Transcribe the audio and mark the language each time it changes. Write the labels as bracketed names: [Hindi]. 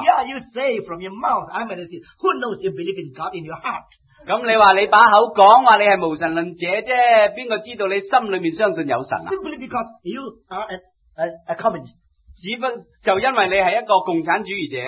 [English] Yeah, you say from your mouth, I'm a Christian. Who knows you believe in God in your heart? [Chinese] 那你说你把口讲话你是无神论者啫，谁知道你心里面相信有神啊？ [English] Simply because you are a communist. [Chinese] 只不就因为你是一个共产主义者。